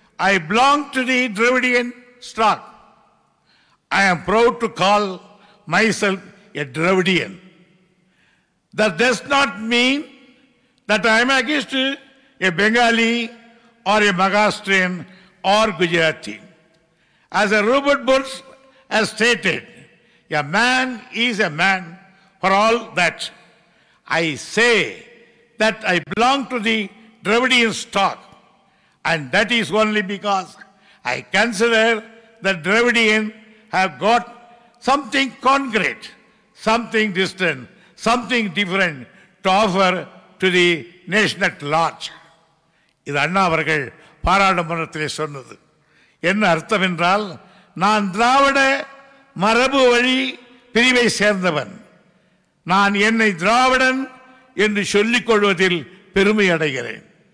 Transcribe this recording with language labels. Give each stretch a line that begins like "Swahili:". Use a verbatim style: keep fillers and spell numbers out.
English: I belong to the Dravidian stock. I am proud to call myself a Dravidian. That does not mean that I am against a Bengali or a Maharashtrian or Gujarati. As a Robert Burns has stated, A man is a man. For all that, I say that I belong to the Dravidian stock, and that is only because I consider that Dravidian have got something concrete, something distant, something different to offer to the nation at large.
Tamil: இது அண்ணா அவர்கள் பாராளுமன்றத்திலே சொன்னது. என்ன அர்த்தம் என்றால், நான் திராவிட மரபு வழி பிரிவை சேர்ந்தவன், நான் என்னை திராவிடன் என்று சொல்லிக் கொள்வதில் பெருமை அடைகிறேன்.